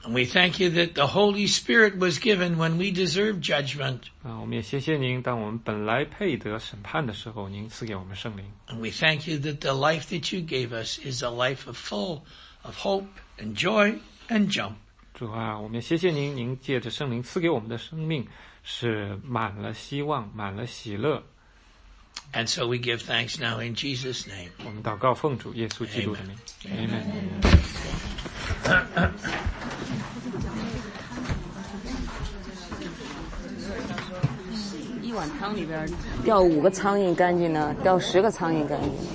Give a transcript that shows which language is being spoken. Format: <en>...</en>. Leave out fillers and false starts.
<en>And we thank you that the Holy Spirit was given when we deserve judgment.</en> <zh>我们也谢谢您，当我们本来配得审判的时候，您赐给我们圣灵。</zh> <en>And we thank you that the life that you gave us is a life of full of hope and joy and jump.</en> <zh>主啊，我们也谢谢您，您借着圣灵赐给我们的生命是满了希望，满了喜乐。</zh> <en>And so we give thanks now in Jesus' name.</en> <zh>我们祷告奉主耶稣基督的名。</zh> <en>Amen. Amen.</en> <zh>Amen. 一碗汤里边掉五个苍蝇干净呢，掉十个苍蝇干净。</zh>